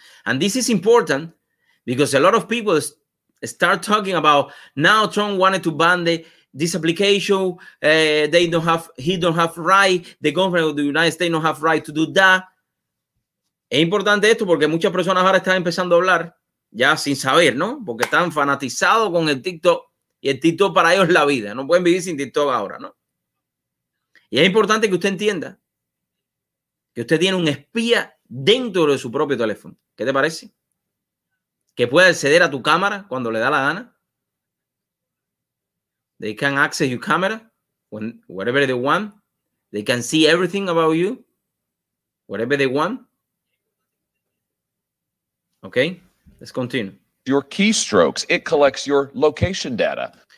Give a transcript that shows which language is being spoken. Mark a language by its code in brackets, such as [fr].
[en] And this is important because a lot of people start talking about now Trump wanted to ban the this application, they don't have, he don't have right, the government of the United States don't have right to do that. [es] Es importante esto porque muchas personas ahora están empezando a hablar ya sin saber, ¿no? Porque están fanatizados con el TikTok y el TikTok para ellos es la vida. No pueden vivir sin TikTok ahora, ¿no? Y es importante que usted entienda que usted tiene un espía dentro de su propio teléfono. ¿Qué te parece? Que puede acceder a tu cámara cuando le da la gana. [en] They can access your camera when, whatever they want. They can see everything about you, whatever they want. Okay, let's continue. Your keystrokes, it collects your location data.